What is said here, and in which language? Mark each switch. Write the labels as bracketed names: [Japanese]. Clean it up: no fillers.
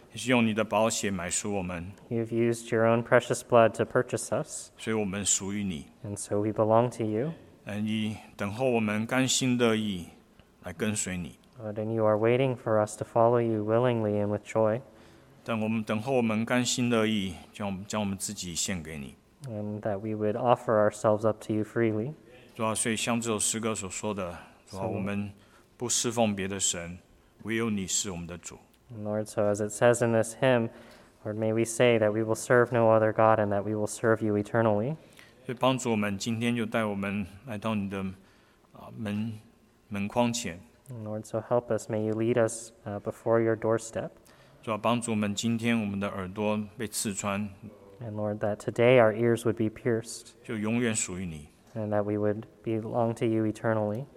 [Chinese] 你是用你的宝血买赎我们。 [English] You've used your own precious blood to purchase us. [Chinese] 所以我们属于你。 [English] And so we belong to you. [Chinese] 愿意等候我们甘心乐意来跟随你。 [English] Lord, and you are waiting for us to follow you willingly and with joy. [Chinese] 等候我们甘心乐意将我们自己献给你。 [English] And that we would offer ourselves up to you freely. [Chinese] 主啊，所以像这首诗歌所说的，主啊，我们不侍奉别的神，唯有你是我们的主。 [English] Lord, so as it says in this hymn, Lord, may we say that we will serve no other God and that we will serve you eternally. [Chinese] 所以帮助我们今天就带我们来到你的门框前。 [English] Lord, so help us, may you lead us before your doorstep. [Chinese] 主啊，帮助我们今天我们的耳朵被刺穿。 [English] And Lord, that today our ears would be pierced. [Chinese] 就永远属于你。 [English] And that we would belong to you eternally.